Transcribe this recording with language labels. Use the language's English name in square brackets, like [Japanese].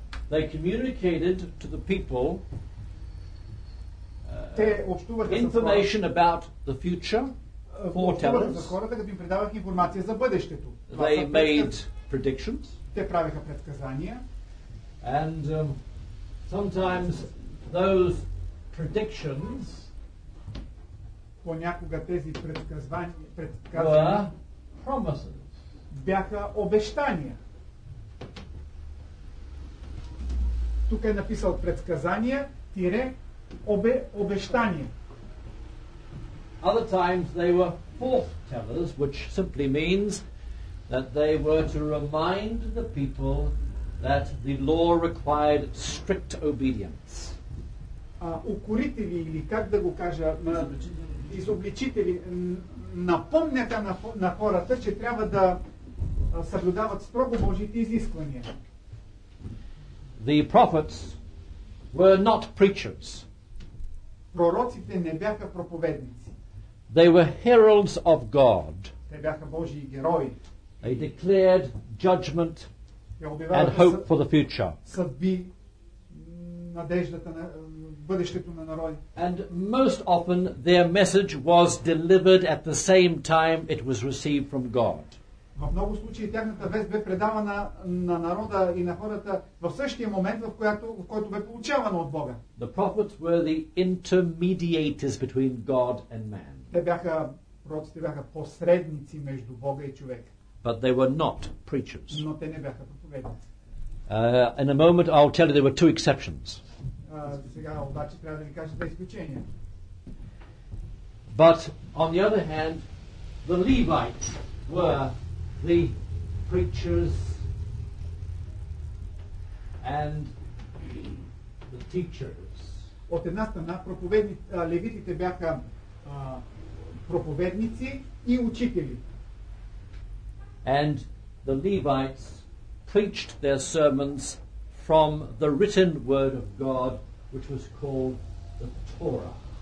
[English] they communicated to the people information about the future, foretellers. [Bulgarian] Хората да им предават информация за бъдещето. [English] They made predictions. [Bulgarian] Те правеха предсказания. [English] And sometimes those predictions [Bulgarian] понякога тези предсказания [English] were promises. [Bulgarian] Бяха обещания. Тук е написал предсказания тире обещание. [English] Other times they were foretellers, which simply means that they were to remind the people that the law required strict obedience. [Bulgarian] Укорители, или как да го кажа, изобличители, напомняха на хората, че трябва да съблюдават строго Божиите изисквания. [English] The prophets were not preachers. [Bulgarian] Пророците не бяха проповедници. [English] They were heralds of God. [Bulgarian] Те бяха Божии герои. [English] They declared judgment and hope for the future. [Bulgarian] Съдби, надеждата на бъдещето на народа. [English] And most often their message was delivered at the same time it was received from God. [Bulgarian] В много случаи тяхната вест бе предавана на народа и на хората в същия момент, в който бе получавана от Бога. [English] The prophets were the intermediators between God and man. [Bulgarian] Пророците бяха посредници между Бога и човека. [English] But they were not preachers. [Bulgarian] Но те не бяха проповедници. [English] In a moment I'll tell you there were two exceptions. [Bulgarian] Сега обаче трябва да ви кажа две изключения. [English] But on the other hand, the Levites were the preachers and the teachers. [Bulgarian] От една страна левитите бяха проповедници и учители. [English] And the Levites preached their sermons from the written word of God, which was called the Torah.